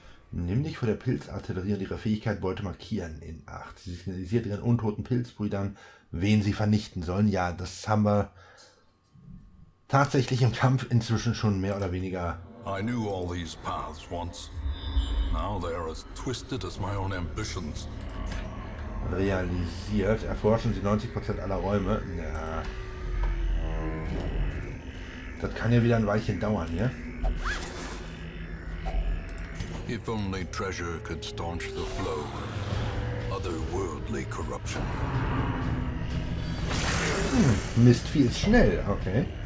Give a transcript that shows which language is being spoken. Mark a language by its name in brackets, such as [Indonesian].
[German] Nimm dich vor der Pilzartillerie und ihrer Fähigkeit Beute markieren in Acht. Sie signalisiert ihren untoten Pilzbrüdern, wen sie vernichten sollen. Ja, das haben wir tatsächlich im Kampf inzwischen schon mehr oder weniger. [English] I knew all these paths once. Now they are as twisted as my own ambitions. [German] Realisiert. Erforschen Sie 90% aller Räume. Ja. Das kann ja wieder ein Weilchen dauern, ja? [English] If only treasure could staunch the flow of otherworldly corruption. [German] Mist, viel ist schnell, okay.